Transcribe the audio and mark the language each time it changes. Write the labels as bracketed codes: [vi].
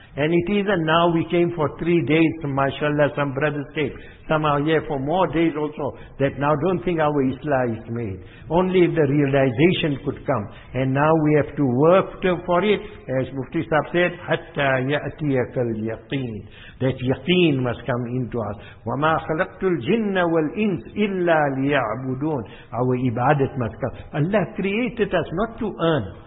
[en] And it isn't now we came for 3 days, mashallah, some brothers came, some are here for more days also, that now don't think our Islam is made. Only if the realization could come. And now we have to work for it, as Mufti Sahib said, [ar] حَتَّى يَأْتِيَكَ الْيَقِينَ. [en] That yaqeen must come into us. [ar] وَمَا خَلَقْتُ الْجِنَّ وَالْإِنْسِ إِلَّا لِيَعْبُدُونَ [en] Our ibadat must come. Allah created us not to earn.